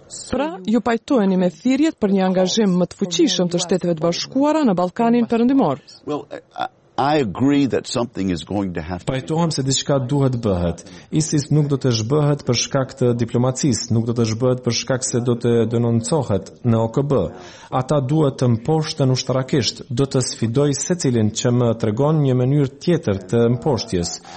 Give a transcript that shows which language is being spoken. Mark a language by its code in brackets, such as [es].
[sq] Pra, ju pajtoheni me thirrjet për një angazhim më të fuqishëm të Shteteve të Bashkuara në Ballkanin Perëndimor. [en] I agree that something is going to have to. [sq] Pajtohem se diçka duhet bëhet. ISIS nuk do të zhbëhet për shkak të diplomacisë, nuk do të zhbëhet për shkak se do të denoncohet në OKB. Ata duhet të mposhten ushtarakisht, do të sfidoj secilin që më tregon një mënyrë tjetër të mposhtjes.